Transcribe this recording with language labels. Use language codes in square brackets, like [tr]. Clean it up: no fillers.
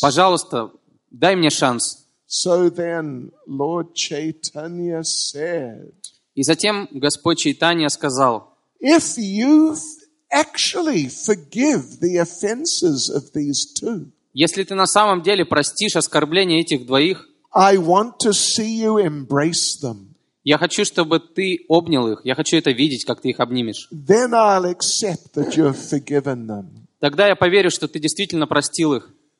[ru] Пожалуйста, дай мне шанс. [en] So then, Lord Chaitanya said. [ru] И затем Господь Чайтанья сказал. [en] If you actually forgive the offenses of these two. [ru] Если ты на самом деле простишь оскорбления этих двоих. [en] I want to see you embrace them. [ru] Я хочу, чтобы ты обнял их. Я хочу это видеть, как ты их обнимешь. [en] Then I'll accept that you've forgiven them. [ru] Тогда я поверю, что ты действительно простил их.